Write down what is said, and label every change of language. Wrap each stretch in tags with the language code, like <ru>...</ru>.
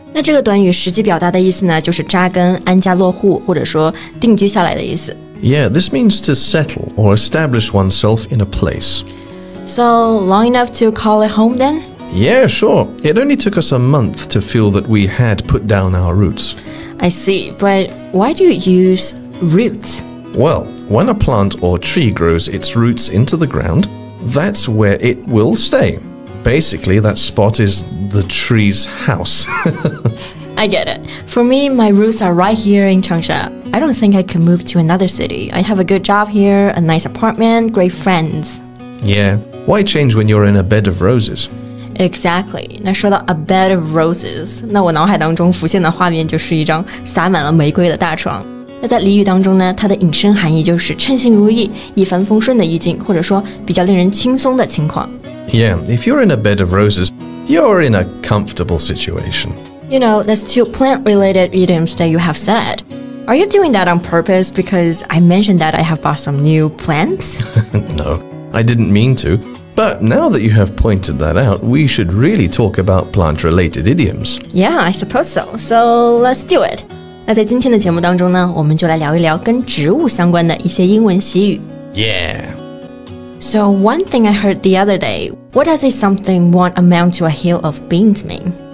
<zh>那这个短语实际表达的意思呢，就是扎根、安家落户，或者说定居下来的意思。</zh> <en>Yeah, this means to settle or establish oneself in a place. So, long enough to call it home then? Yeah, sure. It only took us a month to feel that we had put down our roots. I see. But why do you use roots? Well, when a plant or tree grows its roots into the ground, that's where it will stay. Basically, that spot is the tree's house. I get it. For me, my roots are right here in Changsha. I don't think I can move to another city. I have a good job here, a nice apartment, great friends. Yeah. Why change when you're in a bed of roses? Exactly.</en> <zh>那说到 a bed of roses, 那我脑海当中浮现的画面就是一张洒满了玫瑰的大床。那在俚语当中呢，它的引申含义就是称心如意、一帆风顺的意境，或者说比较令人轻松的情况。</zh> <en>Yeah, if you're in a bed of roses, you're in a comfortable situation. You know, there's two plant-related idioms that you have said. Are you doing that on purpose because I mentioned that I have bought some new plants? No, I didn't mean to. But now that you have pointed that out, we should really talk about plant-related idioms. Yeah, I suppose so. So, let's do it.</en> <zh>那在今天的节目当中呢，我们就来聊一聊跟植物相关的一些英文习语。 Yeah.</zh> <en>So, one thing I heard the other day, what does a something want amount to a hill of beans mean?</en>